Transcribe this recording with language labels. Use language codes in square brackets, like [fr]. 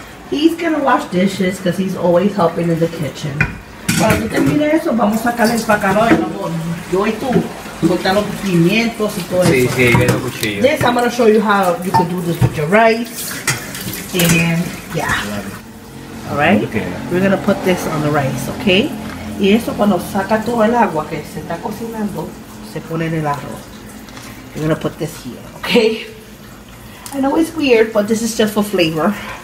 [en] He's gonna wash dishes because he's always helping in the kitchen. [es] Para que termine eso, vamos a sacarle el bacalao, yo y tú. Soltar los pimientos y todo eso. Sí, sí, el cuchillo. [en] This, I'm gonna show you how you can do this with your rice. And, yeah. All right? Okay. We're gonna put this on the rice, okay? [es] Y eso cuando saca todo el agua que se está cocinando, se pone en el arroz. [en] I'm gonna put this here, okay? I know it's weird, but this is just for flavor.